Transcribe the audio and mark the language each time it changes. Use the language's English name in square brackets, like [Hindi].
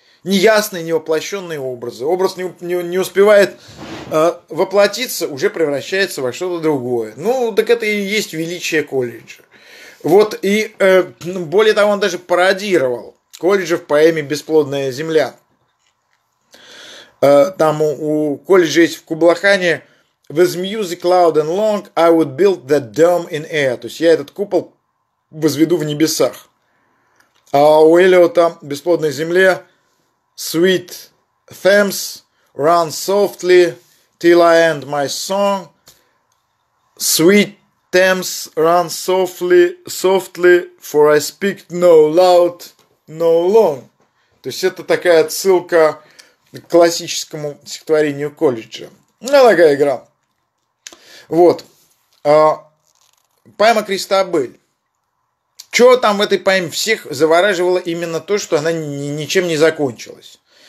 [Russian] Неясные, невоплощенные образы. Образ не успевает воплотиться, уже превращается во что-то другое. Ну, так это и есть величие колледжа. Вот, и более того, он даже пародировал колледжа в поэме «Бесплодная земля». Там у колледжа есть в Кублахане [English] «With music loud and long, I would build that dome in air». [Russian] То есть я этот купол возведу в небесах. А у Эллиота «Бесплодная земля» [English] Sweet Thames, run softly till I end my song. Sweet Thames, run softly, softly, for I speak no loud, no long. [Russian] То есть это такая отсылка к классическому стихотворению колледжа. Ну, такая игра. Вот. Поэма Кристабель. Что там в этой поэме всех завораживало именно то, что она ничем не закончилась?